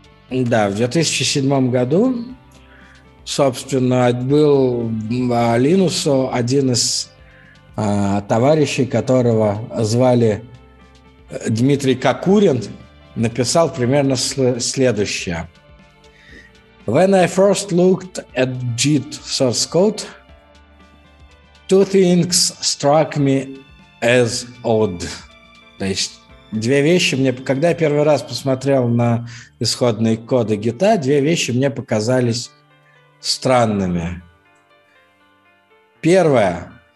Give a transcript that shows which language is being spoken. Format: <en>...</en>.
<ru>В 2007 году, собственно, был Линусу один из товарищей, которого звали Дмитрий Кокурин, написал примерно следующее.</ru> <en>When I first looked at JIT source code, two things struck me as odd.</en> <ru>То есть две вещи мне... Когда я первый раз посмотрел на исходные коды гита, две вещи мне показались странными. Первое.</ru>